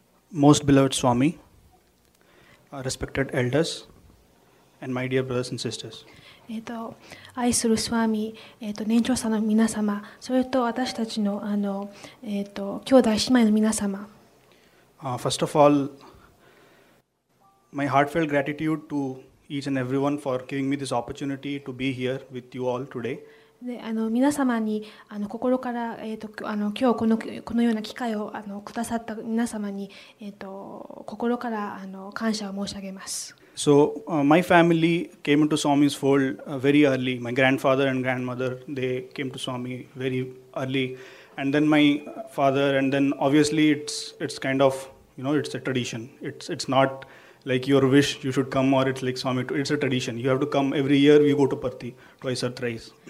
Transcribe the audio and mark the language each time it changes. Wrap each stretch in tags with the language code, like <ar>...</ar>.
<en>Most beloved Swami, respected eldersAnd my dear brothers and sisters.</en> <ja>愛するスワミ、年長さんの皆様、それと私たちの、兄弟姉妹の皆様。</ja> <en>First of all, my heartfelt gratitude to each and everyone for giving me this opportunity to be here with you all today.</en> <ja>皆様に心から、今日このような機会をくださった皆様に、心から感謝を申し上げます。</ja> <en>So, my family came into Swami's fold very early. My grandfather and grandmother, they came to Swami very early. And then my father, and then obviously it's kind of, you know, it's a tradition. It's not like your wish you should come or it's like Swami. It's a tradition. You have to come every year, you go to Parthi twice or thrice.</en>